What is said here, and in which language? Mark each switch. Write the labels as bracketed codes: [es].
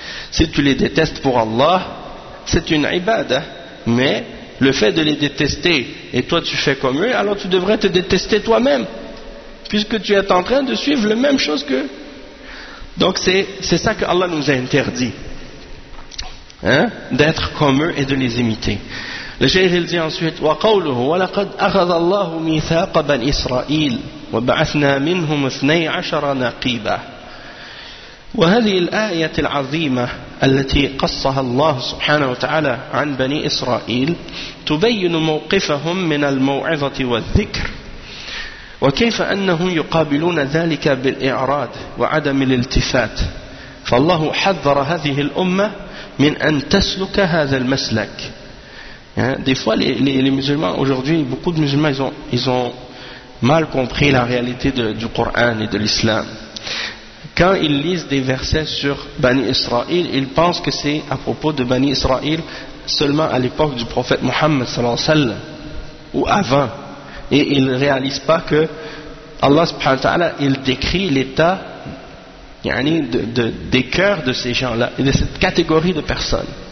[fr] Si tu les détestes pour Allah, c'est une ibad, mais le fait de les détester et toi tu fais comme eux, alors tu devrais te détester toi-même puisque tu es en train de suivre la même chose qu'eux. Donc c'est ça que Allah nous a interdit, d'être comme eux et de les imiter. Le cheikh il dit ensuite [ar] وقوله ولقد أخذ الله ميثاق بني إسرائيل وبعثنا منهم 12 نقيبا. وهذه الآية العظيمة التي قصها الله سبحانه وتعالى عن بني إسرائيل تبين موقفهم من الموعظة والذكر وكيف أنهم يقابلون ذلك بالإعراض وعدم الالتفات. فالله حذر هذه الأمة من أن تسلك هذا المسلك. [fr] Des fois les musulmans aujourd'hui, beaucoup de musulmans ils ont mal compris la réalité du Coran et de l'islam. Quand ils lisent des versets sur Bani Israël, ils pensent que c'est à propos de Bani Israël seulement à l'époque du prophète Mohammed sallallahu alayhi wa sallam ou avant, et ils ne réalisent pas que Allah subhanahu wa ta'ala il décrit l'état des cœurs de ces gens-là et de cette catégorie de personnes.